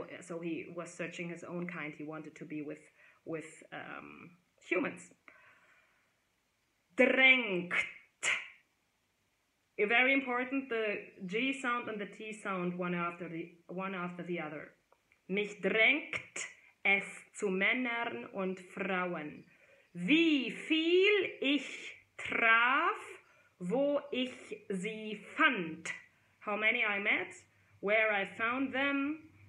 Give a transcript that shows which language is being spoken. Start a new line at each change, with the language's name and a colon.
English: So he was searching his own kind. He wanted to be with humans. Drängt. Very important, the G sound and the T sound one after the other.
German: Mich drängt es zu Männern und Frauen. Wie viel ich traf, wo ich sie fand.
English: How many I met, where I found them.